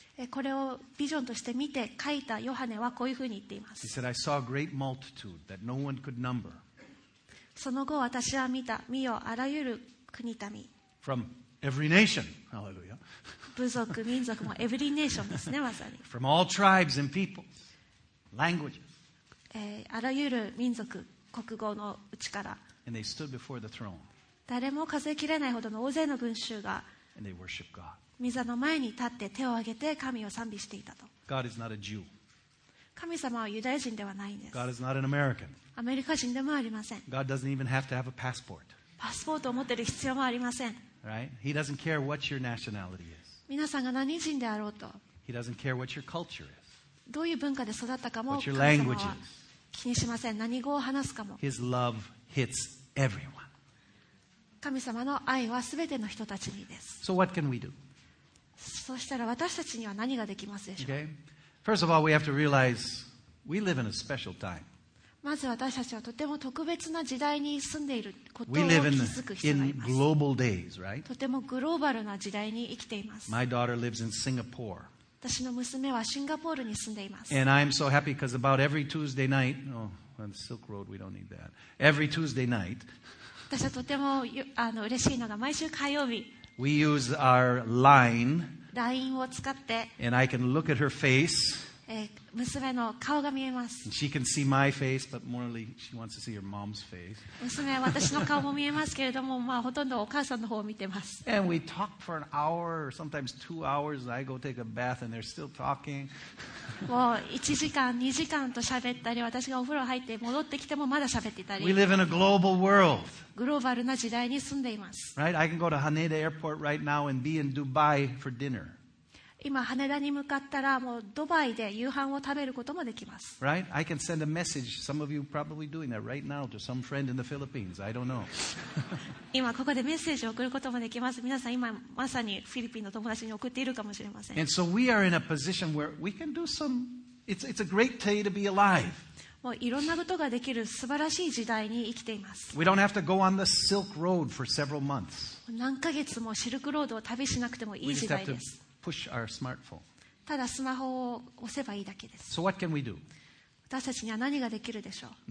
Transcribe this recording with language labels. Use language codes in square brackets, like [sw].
[ja] これをビジョンとして見て書いたヨハネはこういうふうに言っています。 [en] He said, I saw a great multitude that no one could number [ja] その後私は見た、見よ、あらゆる国民。 [en] From every nation, hallelujah. [ja] 部族、民族も [en] every nation [ja] ですね、まさに。 [en] From all tribes and peoples, languages. [ja] あらゆる民族、国語のうちから。 [en] And they stood before the throne. [ja] 誰も数え切れないほどの大勢の群衆が。 [en] And they worship God. [ja] 御座の前に立って手を挙げて神を賛美していたと。 [en] God is not a Jew. [ja] 神様はユダヤ人ではないんです。 [en] God is not an American. [ja] アメリカ人でもありません。 [en] God doesn't even have to have a passport. [ja] パスポートを持ってる必要もありません。 [en] Right? He doesn't care what your nationality is. [ja] 皆さんが何人であろうと。 [en] He doesn't care what your culture is. [ja] どういう文化で育ったかも。 [en] What your language is. [ja] 気にしません。何語を話すかも。 [en] His love hits everyone. [ja] 神様の愛はすべての人たちにです。 [en] So what can we do? [ja] そしたら私たちには何ができますでしょう。 [en] Okay? First of all, we have to realize we live in a special time. [ja] まず私たちはとても特別な時代に住んでいることを気づく必要があります。 [en] We live in global days, right? [ja] とてもグローバルな時代に生きています。 [en] My daughter lives in Singapore. [ja] 私の娘はシンガポールに住んでいます。 [en] And I'm so happy because about every Tuesday night, oh, on the Silk Road, we don't need that. Every Tuesday night. [ja] 私はとても嬉しいのが毎週火曜日。 [en] We use our line. [ja] LINE を使って、 [en] and I can look at her face. [ja] 娘の顔が見えます。 [en] And she can see my face, but morally she wants to see her mom's face. [ja] 娘は私の顔も見えますけれども、まあほとんどお母さんの方を見てます。 [en] And we talk for an hour, or sometimes 2 hours. I go take a bath, and they're still talking. [ja] もう1時間、2時間と喋ったり、私がお風呂入って戻ってきてもまだ喋っていたり。 [en] We live in a global world. [ja] グローバルな時代に住んでいます。 [en] Right? I can go to Haneda Airport right now and be in Dubai for dinner. [ja] 今羽田に向かったらもうドバイで夕飯を食べることもできます。 [en] Right? I can send a message. Some of you are probably doing that right now to some friend in the Philippines. I don't know. [ja] 今ここでメッセージを送ることもできます。皆さん今まさにフィリピンの友達に送っているかもしれません。 [en] And so we are in a position where we can do some. It's a great day to be alive. [ja] もういろんなことができる素晴らしい時代に生きています。 [en] We don't have to go on the Silk Road for several months. [ja] 何ヶ月もシルクロードを旅しなくてもいい時代です。 [en] Push our smartphone. [ja] ただスマホを押せばいいだけです。 [en] So what can we do? [ja] 私たちには何ができるでしょう。